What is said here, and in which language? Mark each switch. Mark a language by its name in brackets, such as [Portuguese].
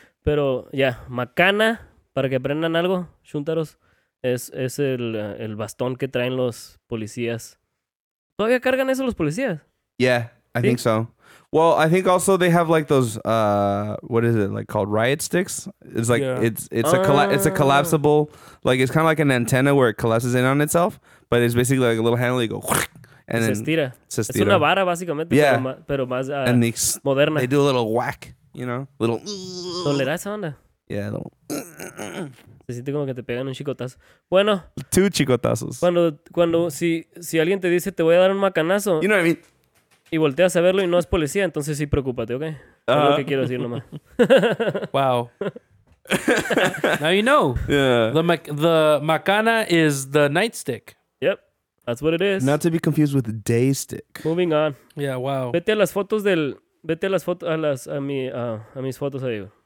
[Spanish] Pero, yeah, macana, para que aprendan algo, shuntaros, es el bastón que traen los policías. ¿Todavía cargan eso los policías? [English] Yeah, I think so. Well, I think also they have like those, what is it, like called riot sticks? It's like, it's a collapsible, like it's kind of like an antenna where it collapses in on itself, but it's basically like a little handle, you go... And [Spanish] se estira. Se estira. Es una vara, básicamente, [English] yeah. [Spanish] Pero más moderna. [English] They do a little whack, you know? Little... [Spanish] ¿Tolera esa onda? [English] Yeah, little... [Spanish] Se siente como que te pegan un chicotazo. Bueno. [English] Two chicotazos. [Spanish] Cuando si alguien te dice, te voy a dar un macanazo. [English] You know what I mean? [Spanish] Y volteas a verlo y no es policía, entonces sí, preocúpate, ¿ok? Es lo que quiero decir nomás. [English] Wow. Now you know. Yeah. The macana is the nightstick. Yep. That's what it is. Not to be confused with the day stick. Moving on. Yeah, wow. [Spanish] Vete a las fotos del Vete a las fotos a las a mi a mis fotos ahí.